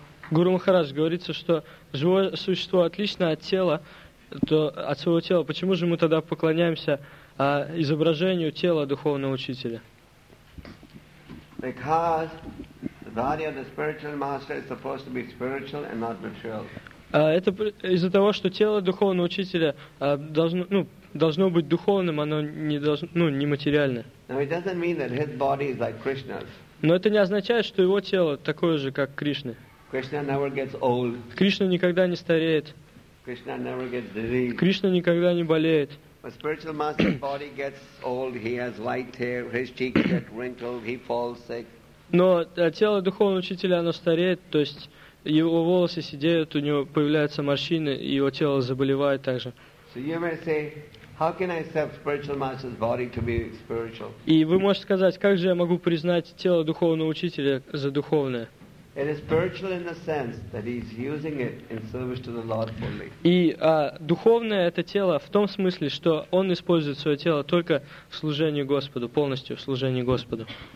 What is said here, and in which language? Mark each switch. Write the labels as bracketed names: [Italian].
[Russian] Гуру Махарадж, говорится, что живое существо отлично от тела, то от своего тела. Почему же мы тогда поклоняемся изображению тела духовного учителя? [English] Because the body of the spiritual master is supposed to be spiritual and not material. [Russian] Это из-за того, что тело духовного учителя должно быть духовным, оно не материальное. [English] Now it doesn't mean that his body is like Krishna's. [Russian] Но это не означает, что его тело такое же, как Кришны. [English] Krishna never gets old. [Russian] Кришна никогда не стареет. [English] Krishna never gets diseased. [Russian] Кришна никогда не болеет. [English] But spiritual master's body gets old. He has white hair. His cheeks get wrinkled. He falls sick. [Russian] Но тело духовного учителя оно стареет, то есть его волосы седеют, у него появляются морщины, и его тело заболевает также. [English] So you may say, how can I accept spiritual master's body to be spiritual? [Russian] И вы можете сказать, как же я могу признать тело духовного учителя за духовное? [English] It is spiritual in the sense that he is using it in service to the Lord only. [Russian] И духовное это тело в том смысле, что он использует свое тело только в служении Господу, полностью в служении Господу.